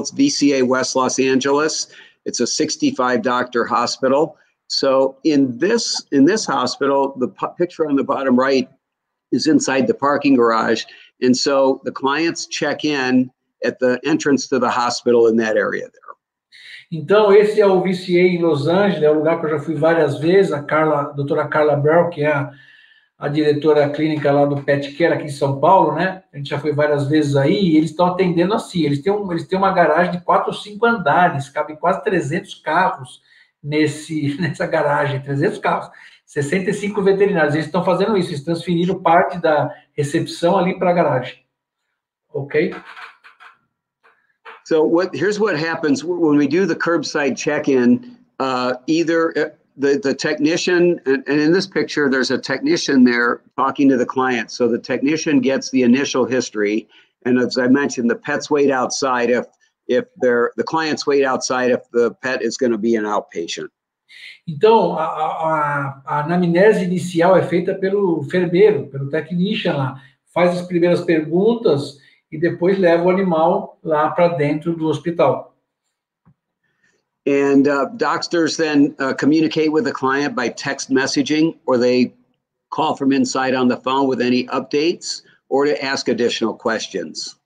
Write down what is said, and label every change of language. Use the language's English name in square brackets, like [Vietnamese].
[English] It's VCA West Los Angeles. It's a 65-doctor hospital. So in this hospital, the picture on the bottom right is inside the parking garage. And so the clients check in at the entrance to the hospital in that area there. [Portuguese] Então, esse é o VCA em Los Angeles, é o lugar que eu já fui várias vezes, doutora Carla Burrell, que é a diretora clínica lá do Pet Care aqui em São Paulo, né? A gente já foi várias vezes aí, e eles estão atendendo assim, eles têm uma garagem de 4 ou 5 andares, cabe quase 300 carros nessa garagem, 300 carros, 65 veterinários, eles estão fazendo isso, eles transferiram parte da recepção ali para a garagem, ok? [English] So here's what happens when we do the curbside check-in. Either the technician, and in this picture, there's a technician there talking to the client. So the technician gets the initial history. And as I mentioned, the pets wait outside if the clients wait outside if the pet is going to be an outpatient. [Portuguese] Então, a anamnese inicial é feita pelo enfermeiro, pelo technician lá. Faz as primeiras perguntas. E depois leva o animal lá para dentro do hospital. [English] And doctors then communicate with the client by text messaging, or they call from inside on the phone with any updates, or to ask additional questions.